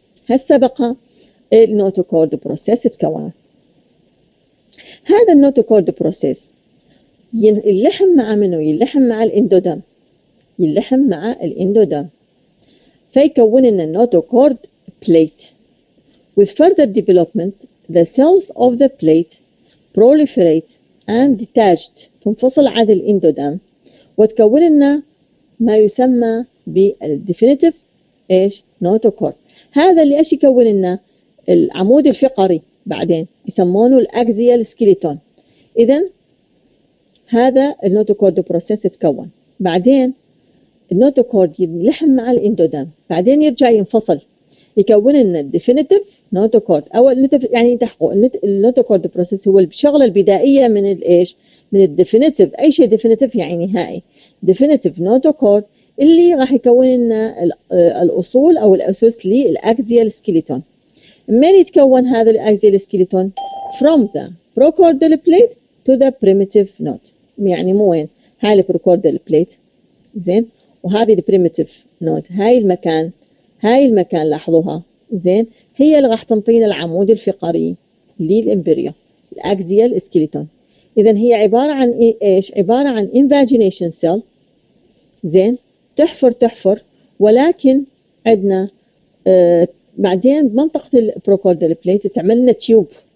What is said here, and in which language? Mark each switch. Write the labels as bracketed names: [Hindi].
[Arabic] هسه بقى النوتوكورد بروسيس تكون. هذا النوتوكورد بروسيس يلحم مع منو؟ يلحم مع الاندودرم، يلحم مع الاندودرم، فيكون لنا النوتوكورد بليت. [English] With further development, the cells of the plate proliferate and detached. [Arabic] تنفصل عن الاندودرم وتكون لنا ما يسمى بالديفينيتيف ايش؟ نوتوكورد. هذا اللي ايش يكون لنا؟ العمود الفقري بعدين يسمونه الاكزيال سكيليتون. اذا هذا النوتوكورد بروسيس يتكون. بعدين النوتوكورد يلحم مع الاندودرم، بعدين يرجع ينفصل. يكون لنا الديفينيتيف نوتوكورد او يعني تحقق النوتوكورد بروسيس هو الشغله البدائيه من الايش؟ من الديفينيتيف. اي شيء ديفينيتيف يعني نهائي. ديفينيتيف نوتوكورد اللي راح يكون لنا الاصول او الاسس للاكزيال سكيليتون. من يتكون هذا الاكزيال سكيليتون؟ [English] From the procordial plate to the primitive node. [Arabic] يعني مو وين؟ هاي البروكوردال بليت زين، وهذه البريمتيف نود. هاي المكان، هاي المكان لاحظوها زين، هي اللي راح تنطينا العمود الفقري للامبريو الاكزيال سكيليتون. اذا هي عباره عن ايش؟ عباره عن انفاجينيشن سيل زين، تحفر تحفر، ولكن عندنا بعدين بمنطقه البروكوردال بليت تعمل لنا تيوب.